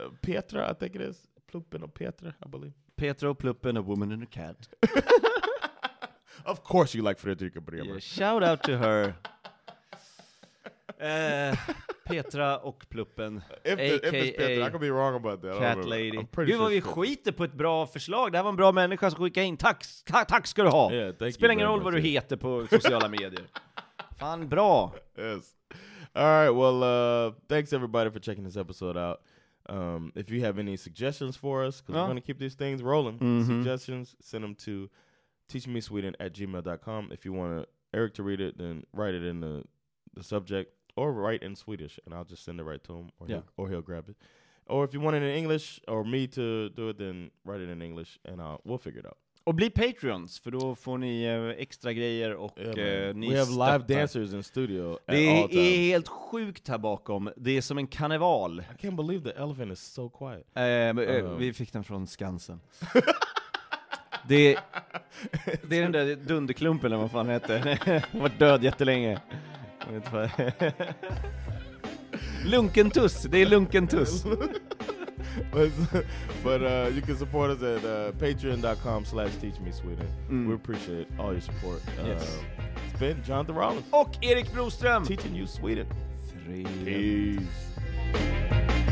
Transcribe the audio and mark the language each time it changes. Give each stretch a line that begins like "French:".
English: Pietra, I think it is. Pluppen or Pietra, I believe. Pietro Pluppen, a woman and a cat. Of course you like Fredrika Bremer. Yeah, shout out to her.
Swedish: Petra och Pluppen.
English: If it's Petra, I could be wrong about that. Cat lady.
Swedish: Gud vad vi skiter på ett bra förslag. Det här var en bra människa som skickade in. Tack ska du ha.
English: Yeah,
Swedish: spelar ingen roll vad du heter på sociala medier. Fan bra.
English: Yes. All right, well, thanks everybody for checking this episode out. If you have any suggestions for us, because we're going to keep these things rolling. Mm-hmm. Suggestions, send them to teachmesweden@gmail.com. If you want Eric to read it, then write it in the subject. Or write in Swedish, and I'll just send it right to him, or he'll grab it. Or if you want it in English, or me to do it, then write it in English, and we'll figure it out.
Swedish: Och bli Patreons, för då får ni extra grejer och ni
English: We have live dancers in studio.
Swedish: Det är helt sjukt här bakom. Det är som en karneval.
English: I can't believe the elephant is so quiet.
Swedish: Vi fick den från Skansen. Det är den där dunderklumpen, eller vad fan heter. Den har varit död jättelänge. Lunkentuss, det är Lunkentuss.
English: But you can support us at patreon.com/teachmesweden. We appreciate all your support. It's been Jonathan Rollins
Swedish: och Erik Broström
English: teaching you Sweden. Peace.